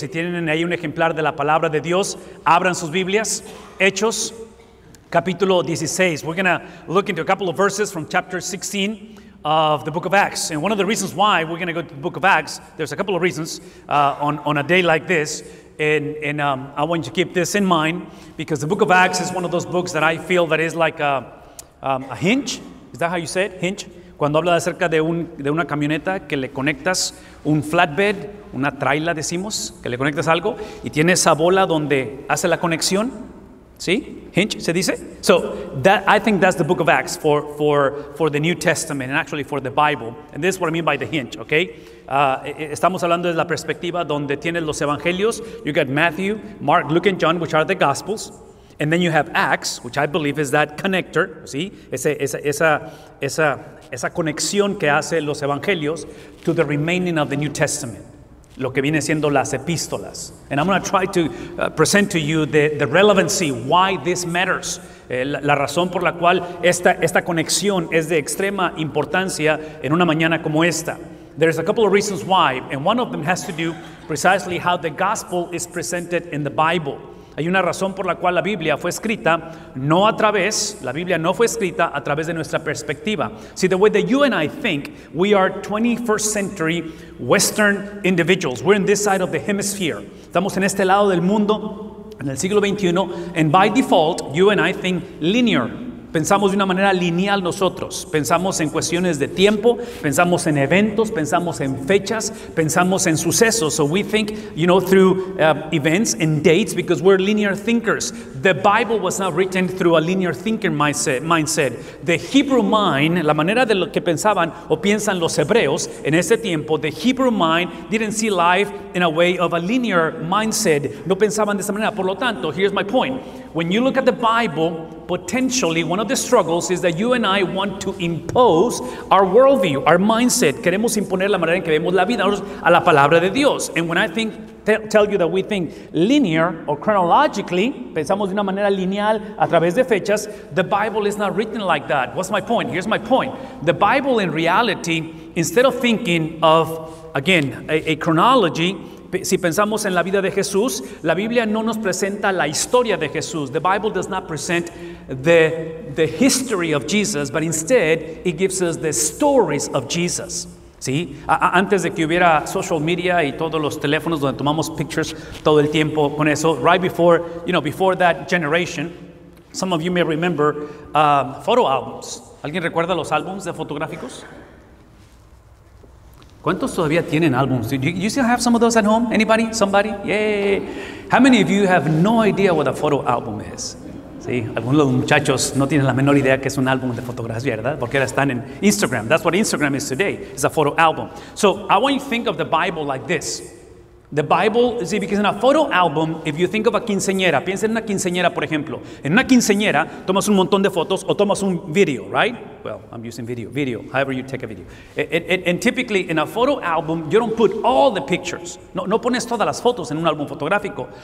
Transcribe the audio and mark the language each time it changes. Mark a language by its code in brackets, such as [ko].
[es] Si tienen ahí un ejemplar de la palabra de Dios, abran sus Biblias. Hechos, capítulo 16. [en] We're going to look into a couple of verses from chapter 16 of the book of Acts. And one of the reasons why we're going to go to the book of Acts, there's a couple of reasons on a day like this. And I want you to keep this in mind, because the book of Acts is one of those books that I feel that is like a hinge. Is that how you say it? Hinge? [es] Cuando habla acerca de una camioneta que le conectas un flatbed, una traila decimos, que le conectas algo y tiene esa bola donde hace la conexión. ¿Sí? Hinge, se dice. [en] So, that I think that's the book of Acts for the New Testament and actually for the Bible. And this is what I mean by the hinge, okay? [es] Estamos hablando de la perspectiva donde tienes los evangelios. [en] You got Matthew, Mark, Luke, and John, which are the Gospels. And then you have Acts, which I believe is that connector, ¿sí? [es] Esa conexión que hace los evangelios [en] to the remaining of the New Testament, [es] lo que viene siendo las epístolas. [en] And I'm going to try to present to you the relevancy, why this matters, [es] la razón por la cual esta conexión es de extrema importancia en una mañana como esta. [en] There's a couple of reasons why, and one of them has to do precisely how the gospel is presented in the Bible. [es] Hay una razón por la cual la Biblia fue escrita, la Biblia no fue escrita a través de nuestra perspectiva. [en] See, the way that you and I think, we are 21st century Western individuals. We're in this side of the hemisphere. [es] Estamos en este lado del mundo, en el siglo XXI, [en] and by default, you and I think linear. [es] Pensamos de una manera lineal nosotros. Pensamos en cuestiones de tiempo, pensamos en eventos, pensamos en fechas, pensamos en sucesos. [en] So we think, you know, through events and dates, because we're linear thinkers. The Bible was not written through a linear thinker mindset. The Hebrew mind, [es] la manera de lo que pensaban o piensan los hebreos en ese tiempo, [en] the Hebrew mind didn't see life in a way of a linear mindset. [es] No pensaban de esa manera. Por lo tanto, [en] here's my point. When you look at the Bible, potentially one of the struggles is that you and I want to impose our worldview, our mindset. [es] Queremos imponer la manera en que vemos la vida a la palabra de Dios. [en] And when I think, tell you that we think linear or chronologically, [es] pensamos de una manera lineal a través de fechas, [en] the Bible is not written like that. What's my point? Here's my point. The Bible in reality, instead of thinking of, again, a chronology, [es] si pensamos en la vida de Jesús, la Biblia no nos presenta la historia de Jesús. [en] The Bible does not present the history of Jesus, but instead it gives us the stories of Jesus. [es] ¿Sí? Antes de que hubiera social media y todos los teléfonos donde tomamos pictures todo el tiempo con eso, [en] right before, you know, before that generation, some of you may remember photo albums. [es] ¿Alguien recuerda los álbumes de fotográficos? ¿Cuántos todavía tienen álbumes? [en] You still have some of those at home? Anybody? Somebody? Yay! How many of you have no idea what a photo album is? [es] Sí, algunos de los muchachos no tienen la menor idea que es un álbum de fotografía, ¿verdad? Porque ahora están en Instagram. [en] That's what Instagram is today. It's a photo album. So, I want you to think of the Bible like this. The Bible, see, because in a photo album, if you think of a quinceañera, [es] piensa en una quinceañera, por ejemplo. En una quinceañera, tomas un montón de fotos o tomas un video, right? [en] Well, I'm using video, however you take a video. And typically, in a photo album, you don't put all the pictures. [es] No pones todas las fotos en un álbum fotográfico.